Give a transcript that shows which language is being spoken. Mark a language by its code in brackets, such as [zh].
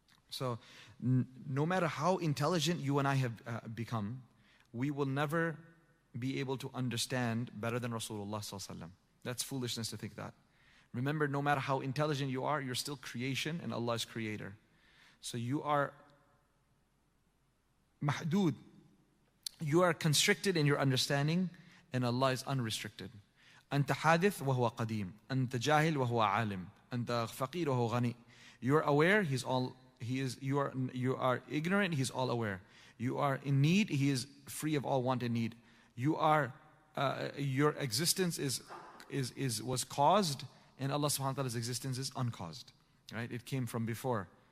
[en] So no matter how intelligent you and I have become, we will never be able to understand better than Rasulullah. That's foolishness to think that. Remember, no matter how intelligent you are, you're still creation and Allah is creator. So you are mahdood. You are constricted in your understanding, and Allah is unrestricted. [ar] أنت حادث وهو قديم أنت جاهل وهو عالم أنت فقير وهو غني. [en] You are aware, you are ignorant, he's all aware. You are in need, he is free of all want and need. You are your existence was caused, and Allah subhanahu wa ta'ala's existence is uncaused. Right? It came from before.